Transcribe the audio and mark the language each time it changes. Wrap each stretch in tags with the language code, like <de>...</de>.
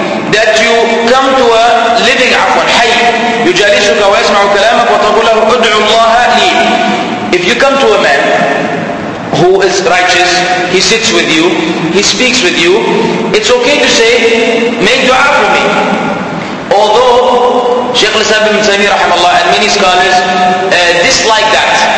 <en>That you come to a living,</en> <ar>عفوا, حي. يجالسك ويسمع كلامك وتقول له ادعو الله لي.</ar> <en>If you come to a man who is righteous, he sits with you, he speaks with you, it's okay to say, make dua for me. Although, Shaykh al-Islam ibn Taymiyyah rahimahullah and many scholars dislike that.</en>